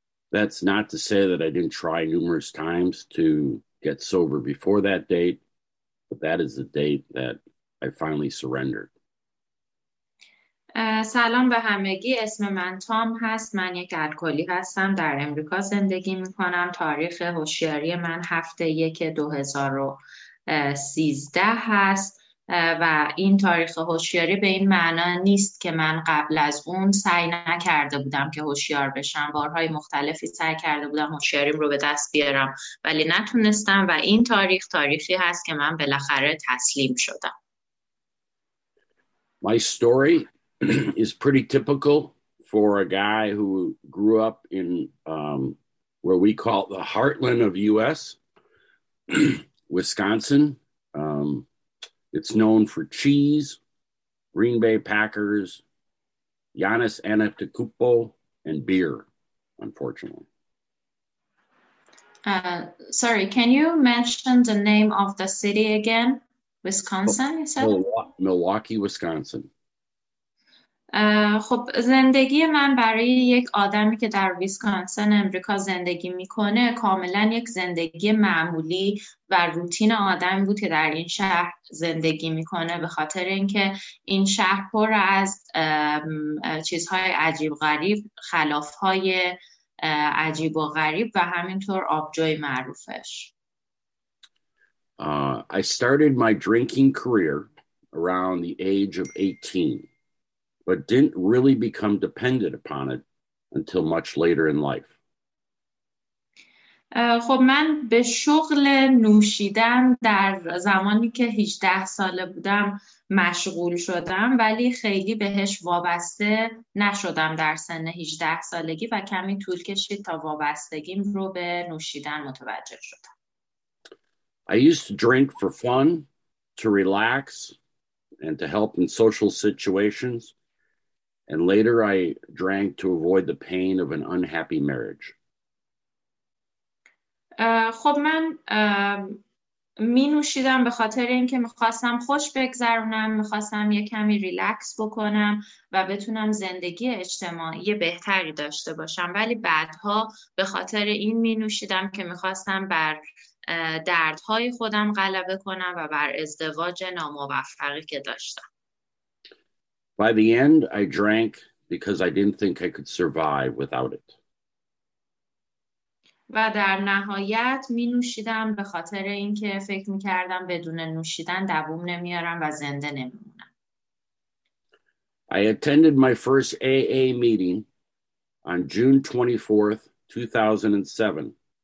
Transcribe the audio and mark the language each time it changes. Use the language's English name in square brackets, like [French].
[English] That's not to say that I didn't try numerous times to get sober before that date, but that is the date that I finally surrendered. [Persian] سلام به همگی، اسم من تام هست، من یک الکلی هستم، در امریکا زندگی می کنم. تاریخ هوشیاری من 7/1/2013 هست و این تاریخ هوشیاری به این معنا نیست که من قبل از اون سعی نکرده بودم که هوشیار بشم. بارهای مختلفی سعی کرده بودم هوشیاریم رو به دست بیارم ولی نتونستم و این تاریخ تاریخی هست که من بالاخره تسلیم شدم. [English] My story is pretty typical for a guy who grew up in where we call the heartland of US, Wisconsin. It's known for cheese, Green Bay Packers, Giannis Antetokounmpo, and beer, unfortunately. Sorry, can you mention the name of the city again? Wisconsin, you said? Milwaukee, Wisconsin. [Persian] خب زندگی من برای یک آدمی که در ویسکانسن امریکا زندگی میکنه کاملا یک زندگی معمولی و روتین آدمی بود که در این شهر زندگی میکنه، به خاطر اینکه این شهر پر از چیزهای عجیب غریب، خلافهای عجیب و غریب و همینطور آبجوی معروفش. [English] I started my drinking career around the age of 18. But didn't really become dependent upon it until much later in life. [Persian] خب من به شغل نوشیدن در زمانی که 18 ساله بودم مشغول شدم ولی خیلی بهش وابسته نشدم در سن 18 سالگی و کمی طول کشید تا وابستگیم رو به نوشیدن متوجه شدم. [English] I used to drink for fun, to relax, and to help in social situations. And later I drank to avoid the pain of an unhappy marriage. [Persian] خب من می نوشیدم به خاطر اینکه می‌خواستم خوش بگذرونم، می‌خواستم یه کمی ریلکس بکنم و بتونم زندگی اجتماعی بهتری داشته باشم، ولی بعدها به خاطر این می نوشیدم که می‌خواستم بر دردهای خودم غلبه کنم و بر ازدواج ناموفقی که داشتم. [English] By the end, I drank because I didn't think I could survive without it. [Persian] و در نهایت می نوشیدم به خاطر اینکه فکر می‌کردم بدون نوشیدن دووم نمیارم و زنده نمی‌مونم. [English] I attended my first AA meeting on June 24th, 2007.